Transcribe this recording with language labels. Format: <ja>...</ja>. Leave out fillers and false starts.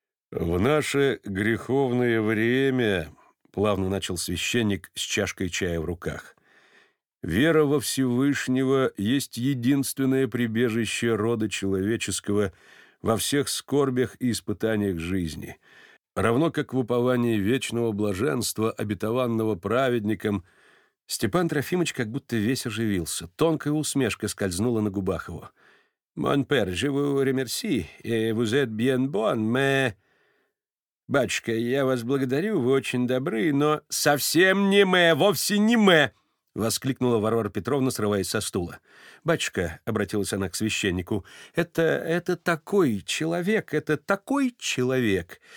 <ru>«В наше греховное время, — плавно начал священник с чашкой чая в руках, — вера во Всевышнего есть единственное прибежище рода человеческого во всех скорбях и испытаниях жизни, равно как в уповании вечного блаженства, обетованного праведником». Степан Трофимович как будто весь оживился, тонкая усмешка скользнула на губах его.</ru> <fr>«Mon père, je vous remercie, et vous êtes bien bon, mais...</fr> <ru>«Батюшка, я вас благодарю, вы очень добры, но совсем не мэ, вовсе не мэ!» — воскликнула Варвара Петровна, срываясь со стула. «Батюшка», — обратилась она к священнику, — «это такой человек, это такой человек!</ru>